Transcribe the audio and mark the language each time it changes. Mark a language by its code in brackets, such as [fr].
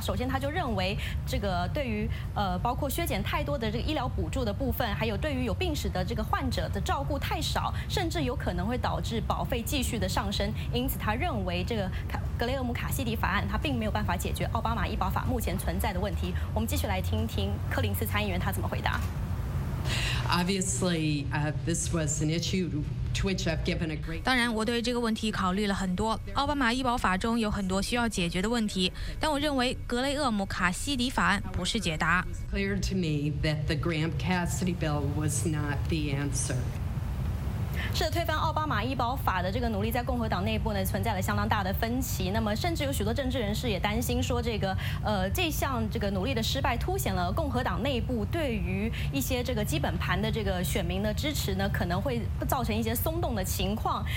[zh] 首先，他就认为这个对于包括削减太多的这个医疗补助的部分，还有对于有病史的这个患者的照顾太少，甚至有可能会导致保费继续的上升。因此他认为这个格雷厄姆卡西迪法案他并没有办法解决奥巴马医保法目前存在的问题。我们继续来听听柯林斯参议员他怎么回答。 [en] Obviously, this was an issue to which I've given a great. [zh] 当然，我对这个问题考虑了很多。奥巴马医保法中有很多需要解决的问题，但我认为格雷厄姆卡西迪法案不是解答。 [en] It's clear to me that the Graham-Cassidy bill was not the answer. [zh] 是推翻奥巴马医保法的这个努力在共和党内部呢存在了相当大的分歧。那么，甚至有许多政治人士也担心说，这个这项这个努力的失败凸显了共和党内部对于一些这个基本盘的这个选民的支持呢，可能会造成一些松动的情况。